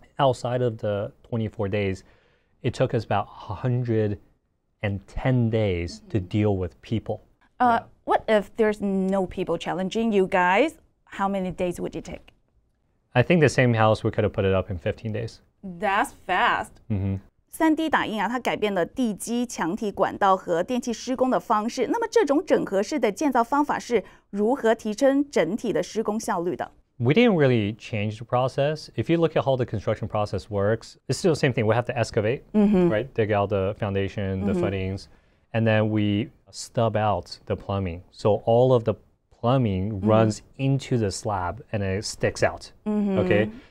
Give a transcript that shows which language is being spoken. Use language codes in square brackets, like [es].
[en] Outside of the 24 days, it took us about 110 days to deal with people. What if there's no people challenging you guys? How many days would it take? I think the same house, we could have put it up in 15 days. That's fast. [zh] 3D 打印啊，它改变了地基、墙体、管道和电气施工的方式。那么这种整合式的建造方法是如何提升整体的施工效率的？ [en] We didn't really change the process. If you look at how the construction process works, it's still the same thing. We have to excavate, right? Dig out the foundation, the footings, and then we stub out the plumbing. So all of the plumbing runs into the slab and it sticks out, okay?